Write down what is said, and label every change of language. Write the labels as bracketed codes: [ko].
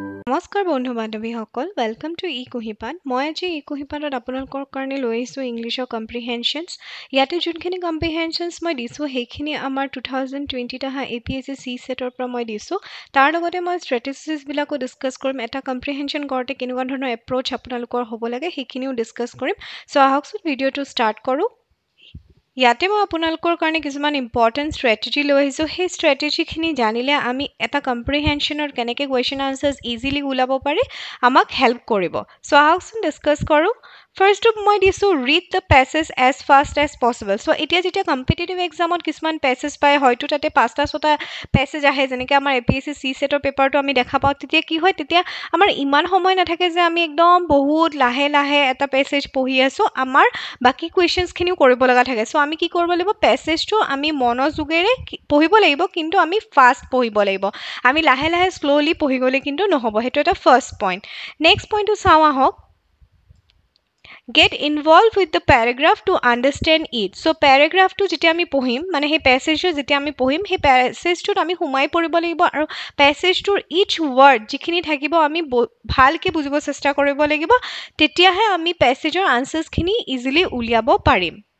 [as] নমস্কার বন্ধু বান্ধৱীসকল, welcome to ইকুহিপাত। মই আজি ইকুহিপাতত আপোনালোকৰ কাৰণে লৈ আহিছোঁ ইংলিছৰ কম্প্ৰিহেনশ্যনছ। ইয়াতে যোনখিনি কম্প্ৰিহেনশ্যনছ মই দিছোঁ সেইখিনি আমাৰ 2020 অহা APSC CCEৰ পৰা মই দিছোঁ। তাৰ লগতে মই ষ্ট্ৰেটেজিছবিলাকো ডিছকাছ কৰিম। এটা কম্প্ৰিহেনশ্যন কৰোঁতে কেনেকুৱা ধৰণৰ এপ্ৰ'চ আপোনালোকৰ হ'ব লাগে সেইখিনিও ডিছকাছ কৰিম। চ' আহকচোন ভিডিঅ'টো ষ্টাৰ্ট কৰোঁ। ইয়াতে মই আপোনালোকৰ কাৰণে কিছুমান ইম্পৰ্টেণ্ট ষ্ট্ৰেটেজি লৈ আহিছোঁ। সেই ষ্ট্ৰেটেজিখিনি জানিলে আমি এটা কম্প্ৰিহেনশ্যনৰ কেনেকৈ কুৱেশ্যন আনচাৰ্ছ ইজিলি ওলাব পাৰি, আমাক হেল্প কৰিব। চ' আহকচোন ডিছকাছ কৰোঁ। ফাৰ্ষ্ট অফ মই দিছোঁ [en] Read the passage as fast as possible. [as] চ' এতিয়া যেতিয়া কম্পিটিটিভ এক্সামত কিছুমান পেছেজ পায়, হয়তো তাতে পাঁচটা ছটা পেছেজ আহে, যেনেকৈ আমাৰ APSC CCEৰ পেপাৰটো আমি দেখা পাওঁ, তেতিয়া কি হয়, তেতিয়া আমাৰ ইমান সময় নাথাকে যে আমি একদম বহুত লাহে লাহে এটা পেছেজ পঢ়ি আছোঁ, আমাৰ বাকী কুৱেশ্যনছখিনিও কৰিব লগা থাকে। চ' আমি কি কৰিব লাগিব, পেছেজটো আমি মনোযোগেৰে পঢ়িব লাগিব, কিন্তু আমি ফাষ্ট পঢ়িব লাগিব। আমি লাহে লাহে শ্ল'লি পঢ়ি গ'লে কিন্তু নহ'ব। সেইটো এটা ফাৰ্ষ্ট পইণ্ট। নেক্সট পইণ্টটো চাওঁ আহক, [en] Get involve with the paragraph to understand it. [as] চ' পেৰাগ্ৰাফটো যেতিয়া আমি পঢ়িম, মানে সেই পেছেজটো যেতিয়া আমি পঢ়িম, সেই পেছেজটোত আমি সোমাই পৰিব লাগিব আৰু পেছেজটোৰ ইচ ৱৰ্ড যিখিনি থাকিব আমি ভালকৈ বুজিব চেষ্টা কৰিব লাগিব, তেতিয়াহে আমি পেছেজৰ আনচাৰ্ছখিনি ইজিলি উলিয়াব পাৰিম।